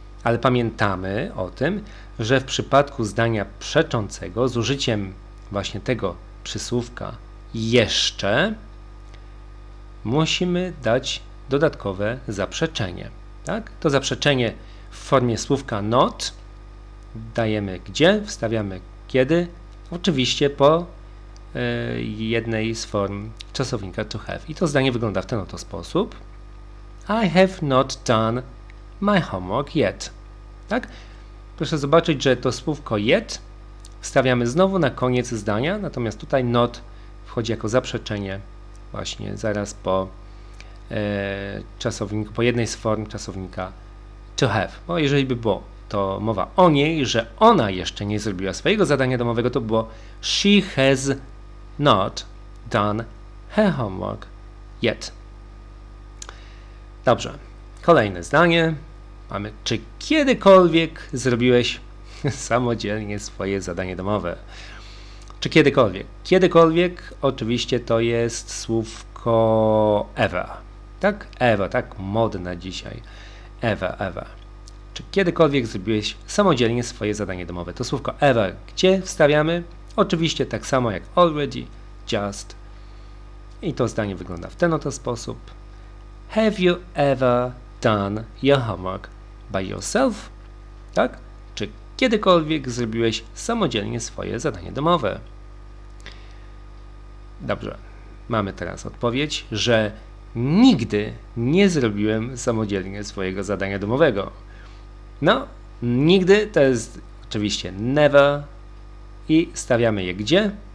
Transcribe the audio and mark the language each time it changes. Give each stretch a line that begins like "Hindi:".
Polish: Ale pamiętamy o tym, że w przypadku zdania przeczącego z użyciem właśnie tego przysłówka jeszcze musimy dać dodatkowe zaprzeczenie. Tak? To zaprzeczenie w formie słówka not dajemy gdzie? Wstawiamy kiedy? Oczywiście po jednej z form czasownika to have. I to zdanie wygląda w ten oto sposób.
English: I have not done my homework yet.
Polish: Tak? Proszę zobaczyć, że to słówko yet wstawiamy znowu na koniec zdania, natomiast tutaj not wchodzi jako zaprzeczenie właśnie zaraz po czasowniku, po jednej z form czasownika to have. Bo jeżeli by było to mowa o niej, że ona jeszcze nie zrobiła swojego zadania domowego, to było
English: she has not done her homework yet.
Polish: Dobrze, kolejne zdanie mamy. Czy kiedykolwiek zrobiłeś samodzielnie swoje zadanie domowe? Czy kiedykolwiek? Kiedykolwiek oczywiście to jest słówko ever. Tak? Ever, tak? Modne dzisiaj. Ever, ever. Czy kiedykolwiek zrobiłeś samodzielnie swoje zadanie domowe? To słówko ever gdzie wstawiamy? Oczywiście tak samo jak already, just. I to zdanie wygląda w ten oto sposób.
English: Have you ever done your homework by yourself?
Polish: Tak? Czy kiedykolwiek zrobiłeś samodzielnie swoje zadanie domowe? Dobrze, mamy teraz odpowiedź, że nigdy nie zrobiłem samodzielnie swojego zadania domowego. No, nigdy to jest oczywiście never i stawiamy je gdzie?